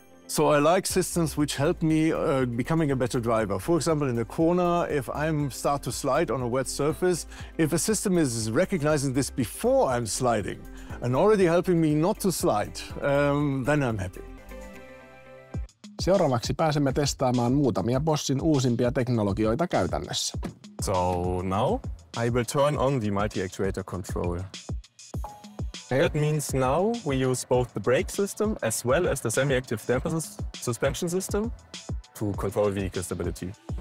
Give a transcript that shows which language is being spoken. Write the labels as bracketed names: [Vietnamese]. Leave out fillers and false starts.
[English] So I like systems which help me becoming a better driver. For example, in a corner, if I start to slide on a wet surface, if a system is recognizing this before I'm sliding and already helping me not to slide, then I'm happy. [Finnish] Seuraavaksi pääsemme testaamaan muutamia Boschin uusimpia teknologioita käytännössä. [English] So now I will turn on the multi-actuator control. That means now we use both the brake system as well as the semi-active damper suspension system to control vehicle stability.